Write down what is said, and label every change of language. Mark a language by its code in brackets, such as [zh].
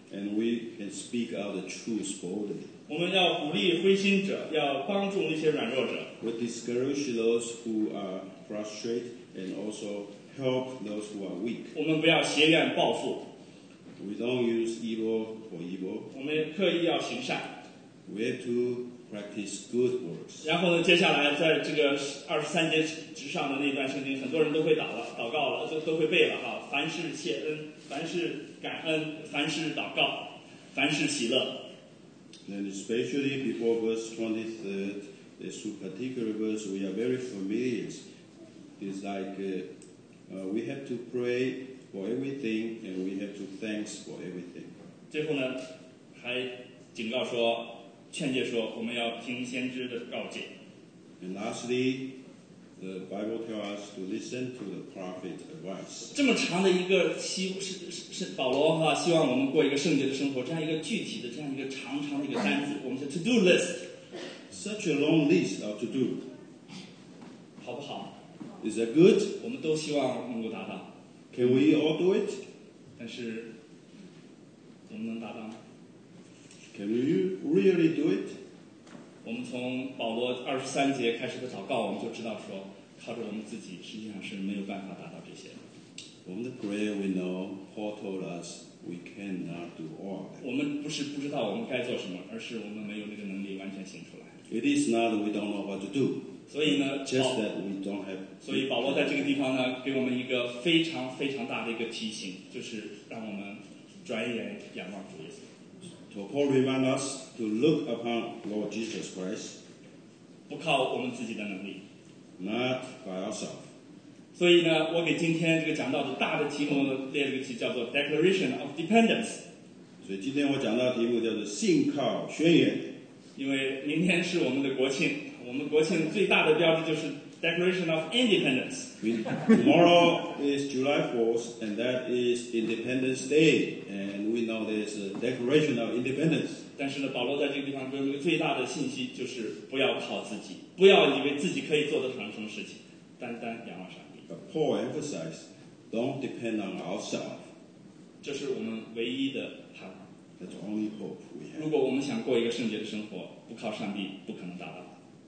[en] And we can speak out the truth boldly. [zh] 我们要鼓励灰心者，要帮助那些软弱者。 [en] We discourage those who are frustrated, and also help those who are weak. [zh] 我们不要邪念报复。 [en] We don't use evil for evil. [zh] 我们刻意要行善。 [en] We have to practice good works. [zh] 然后呢，接下来在这个二十三节之上的那段圣经，很多人都会祷告了，都会背了哈。凡事谢恩，凡事感恩，凡事祷告，凡事喜乐。 [en] And especially before verse 23, this particular verse we are very familiar. It's like we have to pray for everything and we have to thanks for everything. [zh] 最后呢，还警告说。劝诫说，我们要听先知的告诫。 [en] And lastly, the Bible tells us to listen to the prophet's advice. [zh] 这么长的一个是保罗哈，希望我们过一个圣洁的生活，这样一个具体的，这样一个长长的一个单子，我们叫 [en] to do list. Such a long list of to do. [zh] 好不好 [en] ？Is that good? [zh] 我们都希望能够达到。 [en] Can we all do it? [zh] 但是，我们能达到吗？ [en] Can you really do it? [zh] 我们从保罗二十三节开始的祷告，我们就知道说，靠着我们自己，实际上是没有办法达到这些的。 [en] From the prayer we know, Paul told us we cannot do all. [zh] 我们不是不知道我们该做什么，而是我们没有那个能力完全行出来。 [en] It is not that we don't know what to do. [zh] 所以呢 [en] ，just that we don't have. [zh] 所以保罗在这个地方呢，给我们一个非常非常大的一个提醒，就是让我们转眼仰望主耶稣。 [en] So Paul reminds us to look upon Lord Jesus Christ. [zh] 不靠我们自己的能力。 [en] Not by ourselves. [zh] 所以呢，我给今天这个讲到的大的题目列了个题，叫做 [en] Declaration of Dependence. [zh] 所以今天我讲到的题目叫做信靠宣言。因为明天是我们的国庆，我们国庆最大的标志就是 [en] Declaration of Independence. Tomorrow is July 4th, and that is Independence Day. And we know there's a declaration of independence. [zh] 但是呢，保罗在这个地方给我们最大的信息就是不要靠自己，不要以为自己可以做得成什么事情，单单仰望上帝。 [en] But Paul emphasized, don't depend on ourselves. [zh] 这是我们唯一的盼望。 [en] That's only hope we have. [zh] 如果我们想过一个圣洁的生活，不靠上帝，不可能达到。